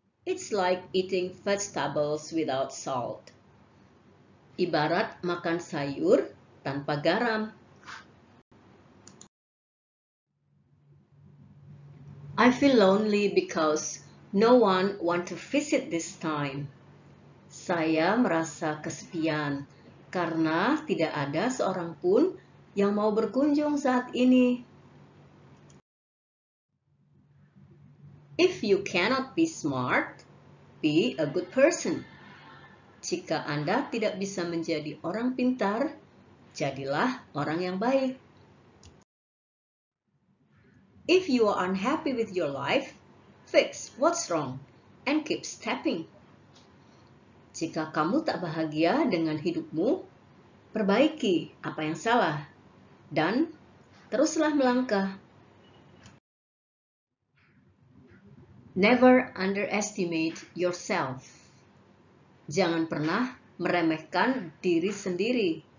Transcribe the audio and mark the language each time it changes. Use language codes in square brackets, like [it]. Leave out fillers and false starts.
[en] It's like eating vegetables without salt. [id] Ibarat makan sayur tanpa garam. [en] I feel lonely because no one wants to visit this time. [id] Saya merasa kesepian karena tidak ada seorang pun yang mau berkunjung saat ini. [en] If you cannot be smart, be a good person. [id] Jika Anda tidak bisa menjadi orang pintar, jadilah orang yang baik. [en] If you are unhappy with your life, fix what's wrong and keep stepping. [id] Jika kamu tak bahagia dengan hidupmu, perbaiki apa yang salah dan teruslah melangkah. [en] Never underestimate yourself. [id] Jangan pernah meremehkan diri sendiri.